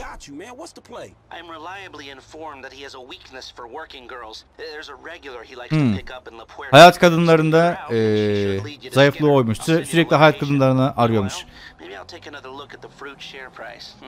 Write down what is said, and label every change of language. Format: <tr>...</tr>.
<en>I'm reliably informed that he has a weakness for working girls. There's a regular he likes to pick up in La Puerta.</en> <tr>Hayat kadınlarında zayıflığı oymuş. Sürekli hayat kadınlarını arıyormuş.</tr> <en>Maybe I'll take another look at the fruit share price.</en>